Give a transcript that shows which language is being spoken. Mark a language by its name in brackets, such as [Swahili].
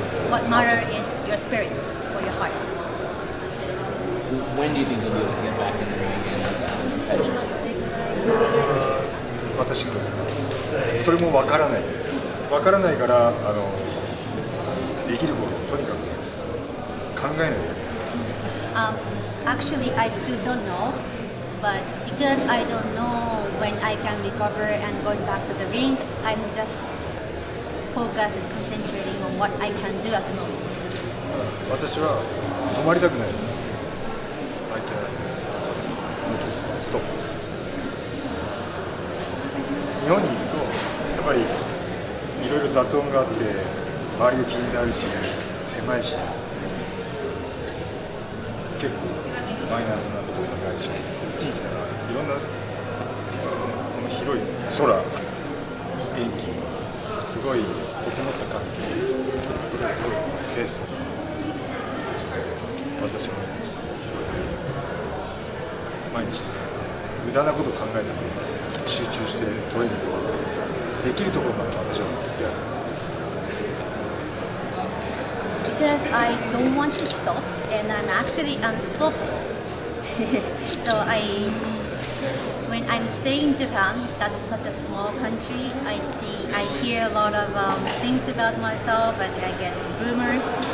[English] What matters is your spirit or your heart. When do you think you'll be able to get back in the ring again as a fighter? [Japanese] 私もそれもわからない。わからないからできることをとにかく考えないで。 [English] Actually, I still don't know. But because I don't know when I can recover and go back to the ring, I'm just focused and concentrating on what I can do at the moment. [Japanese] 私は止まりたくない。 [English] I can't stop. [Japanese] 日本にいるとやっぱりいろいろ雑音があって周りが気になるし狭いし結構マイナスなことになるし。いろんなこの広い空、いい天気、すごい整った環境、すごいペースとか、私もすごい毎日、無駄なことを考えたり、集中してトレーニングできるところまで私はやる。 [English] Because I don't want to stop, and I'm actually unstoppable. So when I'm staying in Japan, that's such a small country, I hear a lot of things about myself and I get rumors.